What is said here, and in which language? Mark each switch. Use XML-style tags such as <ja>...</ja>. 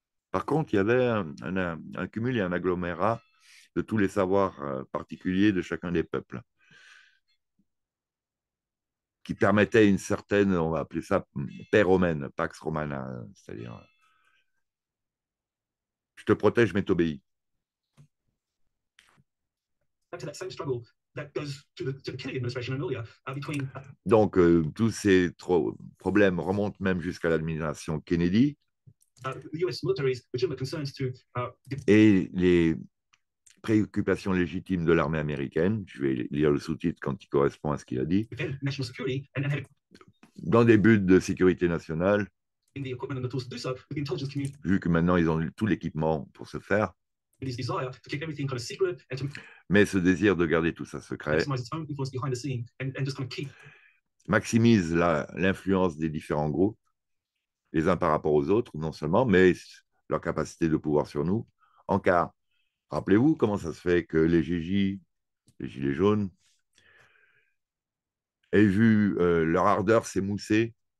<fr>Par contre, il y avait un cumul et un agglomérat de tous les savoirs particuliers de chacun des peuples, qui permettait une certaine, on va appeler ça, paix romaine, pax romana, c'est-à-dire je te protège mais t'obéis.</fr> <en>To that same struggle that goes to the Kennedy administration and earlier between.</en> <fr>Donc, tous ces problèmes remontent même jusqu'à l'administration Kennedy.</fr> <en>The US military's legitimate concerns to.</en> <fr>Et les préoccupations légitimes de l'armée américaine, je vais lire le sous-titre quand il correspond à ce qu'il a dit,</fr> <en>Defend national security and have.</en> <fr>dans des buts de sécurité nationale,</fr> <en>In the equipment and the tools to do so, with the intelligence community.</en> <fr>vu que maintenant ils ont tout l'équipement pour ce faire,</fr> <en>With his desire to keep everything kind of secret and to.</en> <fr>mais ce désir de garder tout ça secret</fr> <en>Maximize its own influence behind the scene and just kind of keep.</en> <fr>maximise l'influence des différents groupes, les uns par rapport aux autres, non seulement, mais leur capacité de pouvoir sur nous. En cas, rappelez-vous comment ça se fait que les gilets jaunes, aient vu leur ardeur s'émousser.</fr>